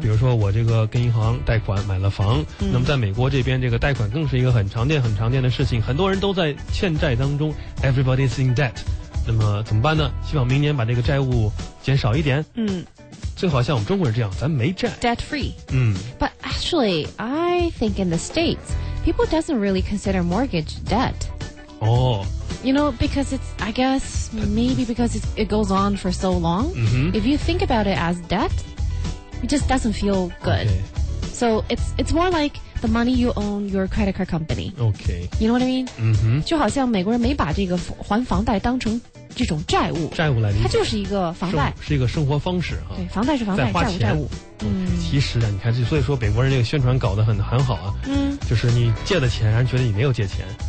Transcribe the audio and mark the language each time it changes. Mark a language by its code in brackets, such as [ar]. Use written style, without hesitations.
[zh] 比如说我这个跟银行贷款买了房，那么在美国这边这个贷款更是一个很常见很常见的事情，很多人都在欠债当中， [en] everybody's in debt。 [zh] 那么怎么办呢？希望明年把这个债务减少一点。最好像我们中国人这样，咱没债。 [en] Debt free. 嗯。But actually, I think in the States, people doesn't really consider mortgage debt. Oh. You know, because it's, I guess, maybe because it goes on for so long. If you think about it as debt, it just doesn't feel good. Okay. So it's more like... the money you own your credit card company. Okay. You know what I mean? [zh] 就好像美国人没把这个还房贷当成这种债务。债务来理解。它就是一个房贷。是一个生活方式啊。对，房贷是房贷，债务债务。其实啊，你看这，所以说美国人这个宣传搞得很好啊。就是你借的钱，人觉得你没有借钱。